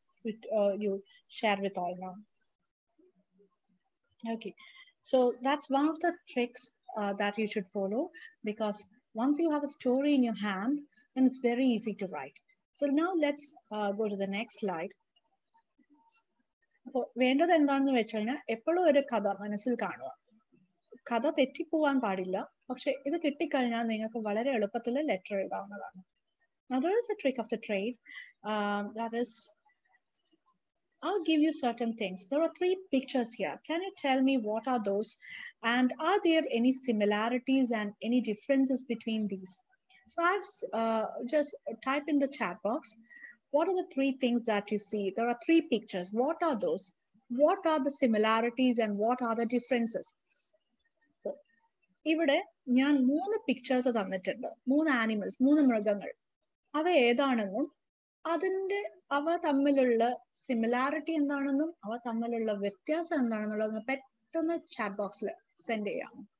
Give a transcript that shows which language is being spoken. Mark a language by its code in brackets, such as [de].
[en] You share with all now. Okay, so that's one of the tricks that you should follow, because once you have a story in your hand, then it's very easy to write. So now let's go to the next slide. [ml] വേണ്ടത് എന്താണെന്ന് വെച്ച് കഴിഞ്ഞാൽ എപ്പോഴും ഒരു കഥ മനസ്സിൽ കാണുക. കഥ തെറ്റിപ്പോവാൻ പാടില്ല. പക്ഷെ ഇത് കിട്ടിക്കഴിഞ്ഞാൽ നിങ്ങൾക്ക് വളരെ എളുപ്പത്തിൽ ലെറ്റർ എഴുതാവുന്നതാണ്. [en] Another is a trick of the trade. That is, I'll give you certain things. There are three pictures here. Can you tell me what are those? And are there any similarities and any differences between these? So I've just type in the chat box. What are the three things that you see? There are three pictures. What are those? What are the similarities and what are the differences? [ml] ഇവിടെ ഞാൻ മൂന്ന് pictures തന്നിട്ടുണ്ട്. മൂന്ന് animals, മൂന്ന് മൃഗങ്ങൾ. അവ ഏതാണെന്നും അതിൻ്റെ അവ തമ്മിലുള്ള സിമിലാരിറ്റി എന്താണെന്നും അവ തമ്മിലുള്ള വ്യത്യാസം എന്താണെന്നുള്ളത് പെട്ടെന്ന് ചാറ്റ് ബോക്സിൽ സെൻഡ് ചെയ്യാം.